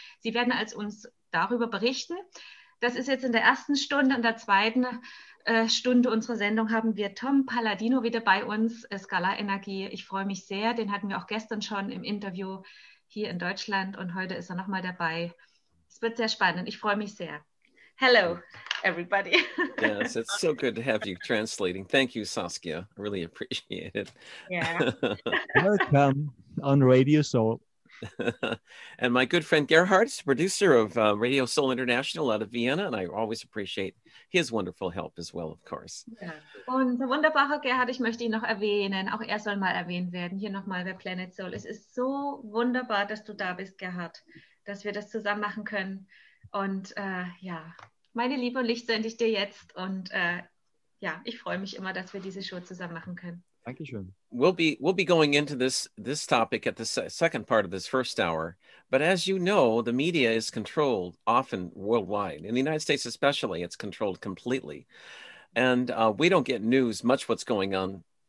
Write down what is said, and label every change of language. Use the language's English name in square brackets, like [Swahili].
[German] Sie werden als uns darüber berichten. Das ist jetzt in der ersten Stunde. In der zweiten Stunde unserer Sendung haben wir Tom Palladino wieder bei uns, Scala Energie. Ich freue mich sehr. Den hatten wir auch gestern schon im Interview hier in Deutschland und heute ist er nochmal dabei. Es wird sehr spannend. Ich freue mich sehr. [English] Hello, everybody. Yes, it's so good to have you translating. Thank you, Saskia. I really appreciate Yeah. it. Welcome on Radio Soul. And my good friend Gerhard is the producer of Radio Soul International out of Vienna, and I always appreciate his wonderful help as well, of course. [German] Ja. Und der wunderbare Gerhard, ich möchte ihn noch erwähnen. Auch er soll mal erwähnt werden. Hier nochmal bei Planet Soul. Es ist so wunderbar, dass du da bist, Gerhard, dass wir das zusammen machen können. Und ja, meine Liebe und Licht sende ich dir jetzt. Und ja, ich freue mich immer, dass wir diese Show zusammen machen können. Dankeschön. [English] We'll be going into this topic at the second part of this first hour. But as you know, the media is controlled often worldwide. In the United States especially, it's controlled completely. And we don't get news much what's going on.